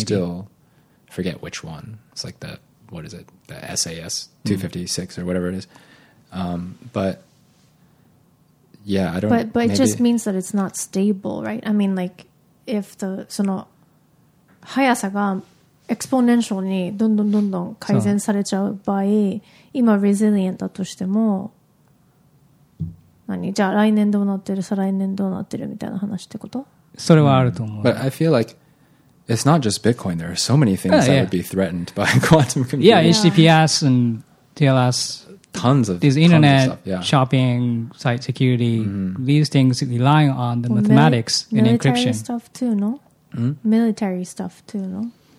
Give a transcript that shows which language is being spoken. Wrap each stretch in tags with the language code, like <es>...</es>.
<en>Still, forget which one. It's like the, what is it? The SAS 256 or whatever it is. But it just means that it's not stable, right? I mean, like, if the.</en> <ja>その速さがエクスポネンシャルにどんどんどんどん改善されちゃう場合、今レジリエントだとしても何、じゃあ来年どうなってる、再来年どうなってるみたいな話ってこと？それはあると思う。</ja> <en>But I feel like it's not just Bitcoin. There are so many things that would be threatened by quantum computing. Yeah, HTTPS and TLS. Tons of these internet shopping site security. These things relying on the mathematics in encryption. Military stuff too, no? Military stuff too, no?</en>